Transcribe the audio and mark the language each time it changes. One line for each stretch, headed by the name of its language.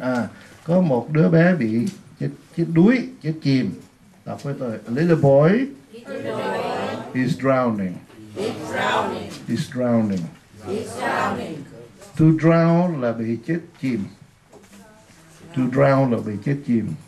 Vietnamese: À, có một đứa bé bị chết đuối, chết chìm. Đọc với tôi.
English: A little boy is drowning. Is drowning. Is drowning. Is drowning.
Vietnamese: To drown là bị chết chìm. To drown là bị chết chìm.